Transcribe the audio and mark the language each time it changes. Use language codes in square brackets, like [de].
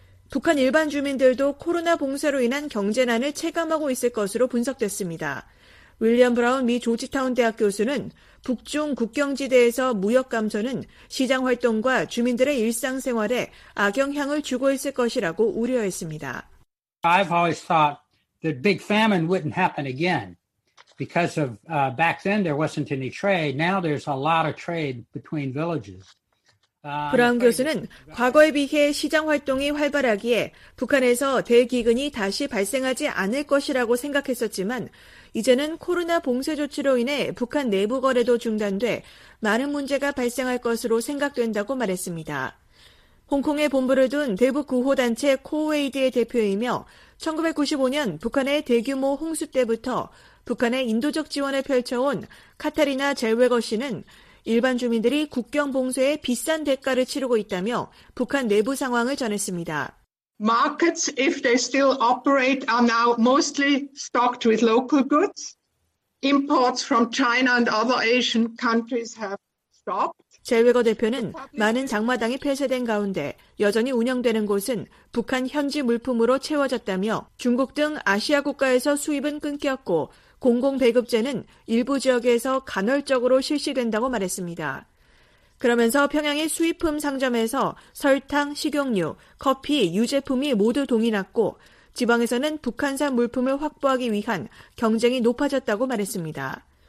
[ko] 북한 일반 주민들도 코로나 봉쇄로 인한 경제난을 체감하고 있을 것으로 분석됐습니다. 윌리엄 브라운 미 조지타운 대학 교수는 북중 국경지대에서 무역 감소는 시장 활동과 주민들의 일상생활에 악영향을 주고 있을 것이라고 우려했습니다. [en] I've always thought that big famine wouldn't happen again. Because of back then there wasn't any trade. Now there's a lot of trade between villages. [ko] 브라운 교수는 과거에 비해 시장 활동이 활발하기에 북한에서 대기근이 다시 발생하지 않을 것이라고 생각했었지만 이제는 코로나 봉쇄 조치로 인해 북한 내부 거래도 중단돼 많은 문제가 발생할 것으로 생각된다고 말했습니다. 홍콩에 본부를 둔 대북 구호 단체 코웨이드의 대표이며 1995년 북한의 대규모 홍수 때부터 북한의 인도적 지원을 펼쳐온 카타리나 젤웨거 씨는 일반 주민들이 국경 봉쇄에 비싼 대가를 치르고 있다며 북한 내부 상황을 전했습니다. [en] Markets, if they still operate, are now mostly stocked with local goods. Imports from China and other Asian countries have stopped. [ko] 제웨거 대표는 많은 장마당이 폐쇄된 가운데 여전히 운영되는 곳은 북한 현지 물품으로 채워졌다며 중국 등 아시아 국가에서 수입은 끊겼고 공공배급제는 일부 지역에서 간헐적으로 실시된다고 말했습니다. 그러면서 평양의 수입품 상점에서 설탕, 식용유, 커피, 유제품이 모두 동이 났고 지방에서는 북한산 물품을 확보하기 위한 경쟁이 높아졌다고 말했습니다.